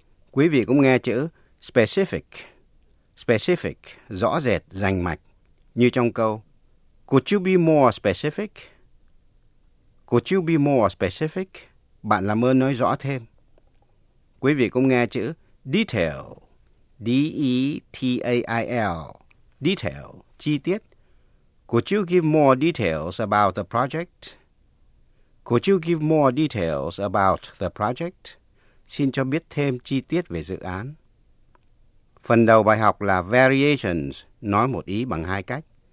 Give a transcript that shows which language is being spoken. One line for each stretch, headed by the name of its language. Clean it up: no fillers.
Vietnamese: Quý vị cũng nghe chữ specific. Specific, rõ rệt, rành mạch, như trong câu
English: Could you be more specific? Could you be more specific?
Vietnamese: Bạn làm ơn nói rõ thêm. Quý vị cũng nghe chữ detail, D-E-T-A-I-L, detail, chi tiết.
English: Could you give more details about the project? Could you give more details about the project?
Vietnamese: Xin cho biết thêm chi tiết về dự án. Phần đầu bài học là Variations, nói một ý bằng hai cách.